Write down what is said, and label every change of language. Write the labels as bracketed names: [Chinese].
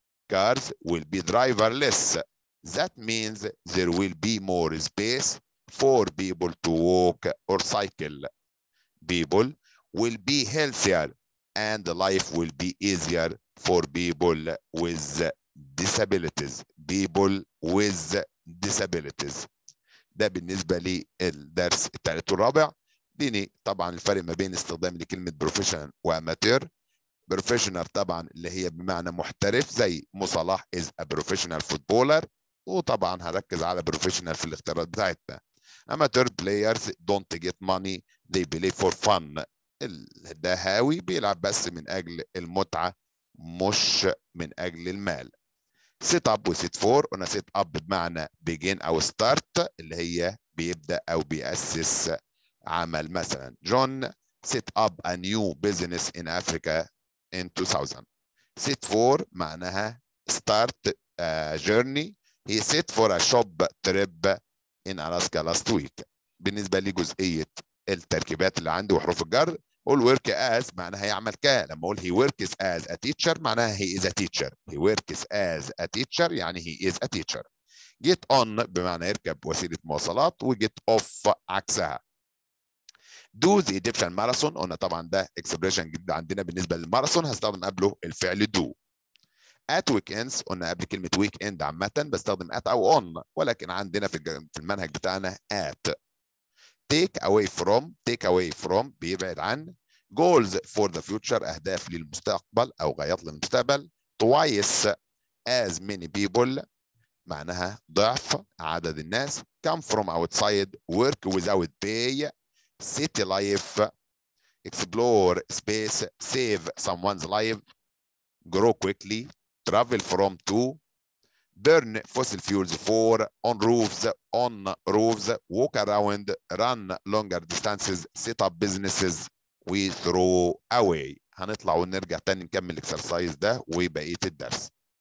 [English] Cars will be driverless. That means there will be more space for people to walk or cycle. People will be healthier, and life will be easier for people with disabilities. People with disabilities. [Arabic] ده بالنسبة للدرس الثالث والرابع. ديني طبعا الفرق ما بين استخدام لكلمة professional وamateur. Professional طبعا اللي هي بمعنى محترف زي مصالح [English] is a professional footballer. [Arabic] وطبعا هركز على professional في الاختيارات بتاعتنا. [English] Amateur players don't get money. They play for fun. [Arabic] الهاوي بيلعب بس من أجل المتعة مش من أجل المال. [English] Set up وset for. [Arabic] أنا set up بمعنى begin أو start اللي هي بيبدأ أو بيأسس عمل. [English] مثلا John set up a new business in Africa in 2000. Set for معناها start a journey. He set for a shop trip in Alaska last week. [Arabic] بالنسبة لجزئية التركيبات اللي عندي وحروف الجر, قول [English] work as [Arabic] معناها يعمل ك. لما قول [English] he works as a teacher [Arabic] معناها [English] he is a teacher. He works as a teacher [Arabic] يعني [English] he is a teacher. Get on [Arabic] بمعنى يركب وسيلة مواصلات, و [English] get off [Arabic] عكسها. [English] Do the Egyptian marathon. [Arabic] قلنا طبعا ده expression جديد عندنا بالنسبة للمارثون, هستخدم قبله الفعل do. [English] At weekends [Arabic] قلنا قبل كلمة weekend عامة بستخدم at أو on, ولكن عندنا في المنهج بتاعنا at. [English] Take away from [Arabic] بيبعد عن. [English] Goals for the future [Arabic] أهداف للمستقبل أو غايات للمستقبل. [English] Twice as many people [Arabic] معناها ضعف عدد الناس. [English] Come from outside, work without pay. City life, explore space, save someone's life, grow quickly, travel from to, burn fossil fuels for, on roofs, walk around, run longer distances, set up businesses, we throw away. [Arabic] هنطلع ونرجع تاني نكمل الاكسرسايز ده وبقية الدرس.